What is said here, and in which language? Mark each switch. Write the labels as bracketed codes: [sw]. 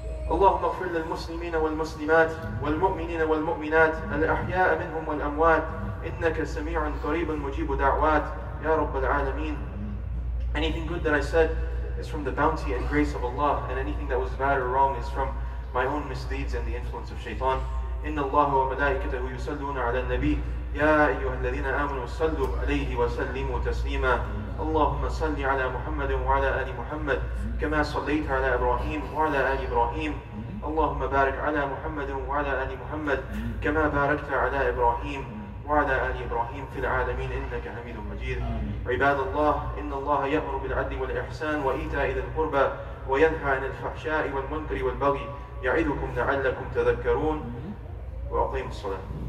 [ar] اللهم اغفر للمسلمين والمسلمات والمؤمنين والمؤمنات الأحياء منهم والأموات إنك سميع قريب مجيب دعوات يا رب العالمين. [en] Anything good that I said is from the bounty and grace of Allah, and anything that was bad or wrong is from my own misdeeds and the influence of Shaytan. [ar] إن الله وملائكته يصلون على النبي يا أيها الذين آمنوا صلوا عليه وسلموا تسليما. اللهم صل على محمد وعلى آل محمد كما صليت على إبراهيم وعلى آل إبراهيم اللهم بارك على محمد وعلى آل محمد كما باركت على إبراهيم وعلى آل إبراهيم في العالمين إنك حميد مجيد عباد الله إن الله يأمر بالعدل والإحسان وإيتاء ذي القربى وينهى عن الفحشاء والمنكر والبغي يعظكم لعلكم تذكرون وأقيموا الصلاة